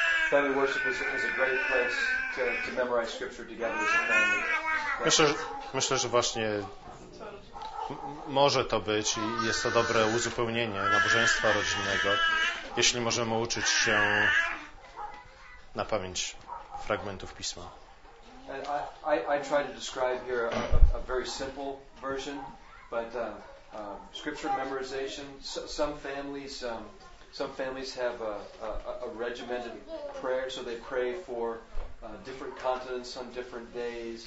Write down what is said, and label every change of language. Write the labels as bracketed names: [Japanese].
[English] Family worship is a great place to memorize scripture together as a family. [Polish] Myślę, że właśnie może to być, i jest to dobre uzupełnienie nabożeństwa rodzinnego, jeśli możemy uczyć się na pamięć fragmentów Pisma. [English] And I try to describe here a very simple version, but scripture memorization. Some families have a regimented prayer, so they pray for different continents on different days.